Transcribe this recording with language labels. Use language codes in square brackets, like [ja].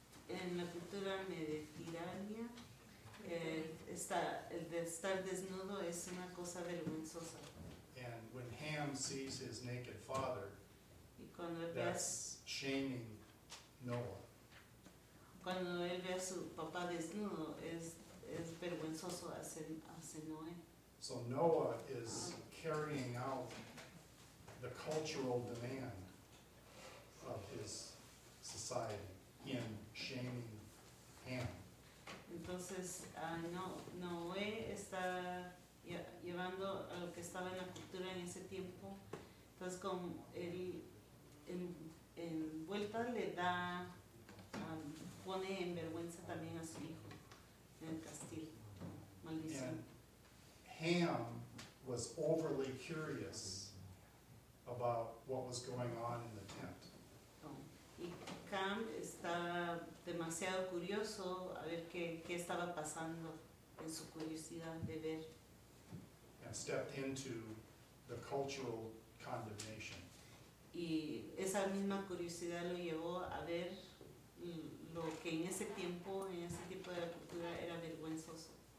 [es] En la cultura mediterránea, el de estar desnudo es una cosa vergonzosa. [en] And when Ham sees his naked father, that's shaming Noah. [es] Cuando él ve a su papá desnudo, es vergonzoso hacia Noé. [en] So Noah is carrying out the cultural demand of his society. In shaming Ham. [es] Entonces, Noé está llevando a lo que estaba en la cultura en ese tiempo. Entonces, como él en vuelta le da, pone en vergüenza también a su hijo en el castigo. Maldición. [en] And Ham was overly curious about what was going on in the tent. [es] Y Cam está demasiado curioso a ver qué estaba pasando en su curiosidad de ver. [en] And stepped into the cultural condemnation. [es] Y esa misma curiosidad lo llevó a ver lo que en ese tiempo de la cultura era vergonzoso.